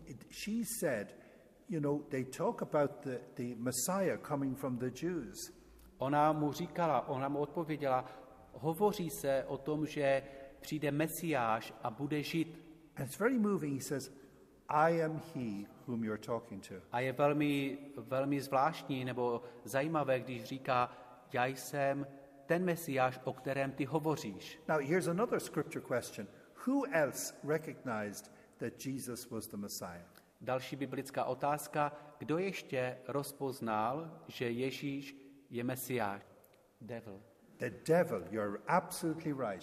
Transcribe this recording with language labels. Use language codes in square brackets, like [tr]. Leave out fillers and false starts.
[en] She said, you know, they talk about the Messiah coming from the Jews. [cs] Ona mu říkala, ona mu odpověděla, hovoří se o tom, že přijde Mesiáš a bude žít. [en] And it's very moving, he says, I am he whom you're talking to. [cs] A je velmi, velmi zvláštní nebo zajímavé, když říká, já jsem ten Mesiáš, o kterém ty hovoříš. [en] Now here's another scripture question. Who else recognized that Jesus was the Messiah? [cs] Další biblická otázka, kdo ještě rozpoznal, že Ježíš je Mesiáš? [en] Devil. The devil, you're absolutely right.